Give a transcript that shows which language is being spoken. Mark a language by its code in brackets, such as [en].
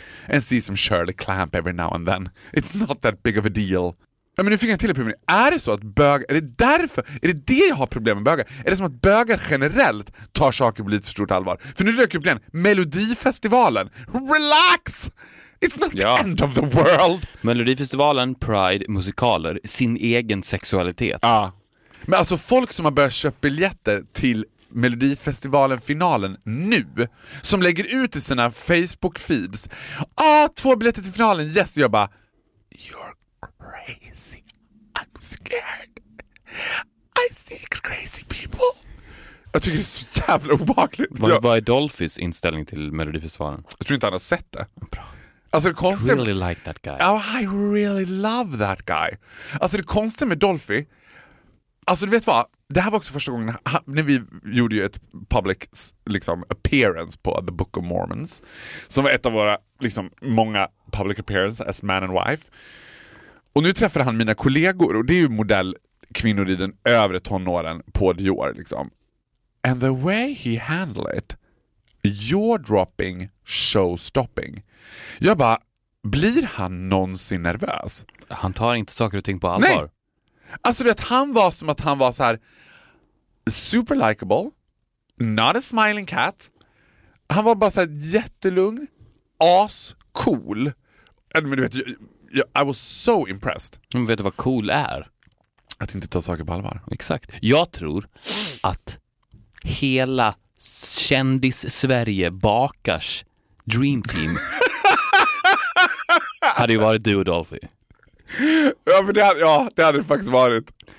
[en] And see some Shirley Clamp every now and then. It's not that big of a deal. [sv] Ja, men nu fick jag till uppgivning. Är det så att bögar, är det därför, är det det jag har problem med bögar? Är det som att bögar generellt tar saker på lite för stort allvar? För nu dök upp igen, Melodifestivalen. [en] Relax! It's not the end of the world. [sv] Melodifestivalen, Pride, musikaler, sin egen sexualitet. Ja. Men alltså folk som har börjat köpa biljetter till Melodifestivalen-finalen nu, som lägger ut i sina Facebook-feeds, ah, två biljetter till finalen, yes, jag bara, [en] you're crazy, I'm scared, I see crazy people. [sv] Jag tycker det är så jävla obehagligt. Vad är Dolphys inställning till Melodifestivalen? Jag tror inte han har sett det. Bra. Alltså det konstiga, [en] I really like that guy. Oh, I really love that guy. [sv] Alltså det konstiga med Dolphy, alltså du vet vad, det här var också första gången när vi gjorde ju ett public liksom appearance på The Book of Mormons, som var ett av våra liksom många [en] public appearances as man and wife. [sv] Och nu träffade han mina kollegor, och det är ju modell kvinnor i den övre tonåren på Dior liksom. [en] And the way he handled it, jaw dropping, show stopping. [sv] Jag bara, blir han någonsin nervös? Han tar inte saker och ting på allvar. Nej. Alltså det, han var som att han var så här [en] super likable, not a smiling cat. [sv] Han var bara så här jättelugn, [en] as cool. [sv] Men du vet, [en] I was so impressed. [sv] Men vet du vad cool är? Att inte ta saker på allvar. Exakt. Jag tror att hela kändis Sverige bakars dream team hade ju varit du och Dolphy. Ja, men det hade, ja, det hade det faktiskt varit.